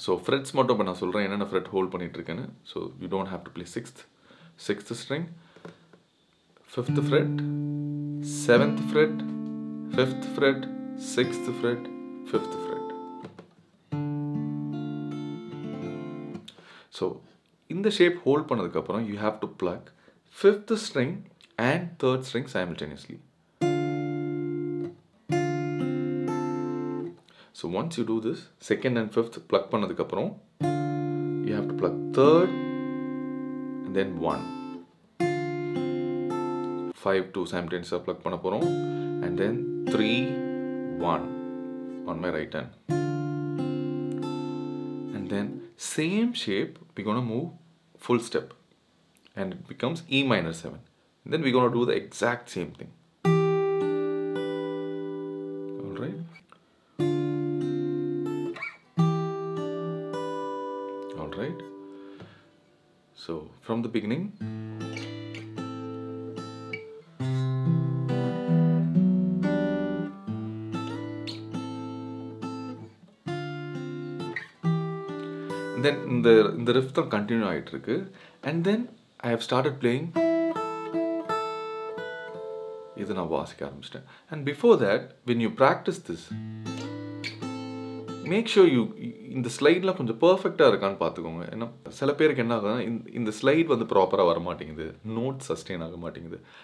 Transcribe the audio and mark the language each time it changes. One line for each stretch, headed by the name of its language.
Tamil: So ஃப்ரெட்ஸ் மட்டும் இப்போ நான் சொல்கிறேன் என்னென்ன ஃப்ரெட் ஹோல்ட் பண்ணிட்டு இருக்கேன்னு.
English: So you don't have to play sixth string, fifth fret, seventh fret, fifth fret, sixth fret, fifth fret. So இந்த shape hold
Tamil: பண்ணதுக்கப்புறம்
English: You have to pluck fifth string and third string simultaneously. So once you do this, second and fifth pluck
Tamil: பண்ணதுக்கப்புறம்
English: you have to pluck third and then one. Five, two simultaneously pluck
Tamil: பண்ண போறோம்
English: and then three, one on my right hand. And then same shape, we're gonna move full step and it becomes E minor 7. Then we're going to do the exact same thing. All right. All right. So, from the beginning. And then in the riff thum continue
Tamil: aayit irukku.
English: And then I have started playing.
Tamil: இது நான் வாசிக்க ஆரம்பிச்சிட்டேன்.
English: and before that when you practice this make sure you
Tamil: இந்த ஸ்லைட்லாம் கொஞ்சம் பர்ஃபெக்டாக இருக்கான்னு பார்த்துக்கோங்க. ஏன்னா சில பேருக்கு என்ன ஆகுதுன்னா இந்த ஸ்லைட் வந்து ப்ராப்பராக வர மாட்டேங்குது, நோட் சஸ்டெயின் ஆக மாட்டேங்குது.